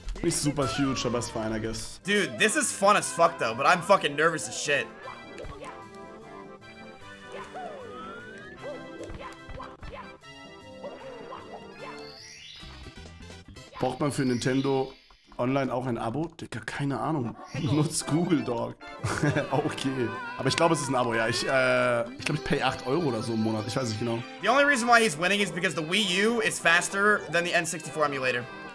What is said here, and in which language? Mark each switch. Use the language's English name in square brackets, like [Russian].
[German] Nicht super huge, aber ist fine, [English] I guess. Dude, this is fun as fuck, though, but I'm fucking nervous as shit. [German] Braucht man für Nintendo Online auch ein Abo? Digga, keine Ahnung. Nutzt Google, Dog. Okay. Aber ich glaube, es ist ein Abo, ja. Ich glaube, ich pay 8 Euro oder so im Monat. Ich weiß nicht genau. [English] The only reason why he's winning is because the Wii U is faster than the N64 emulator.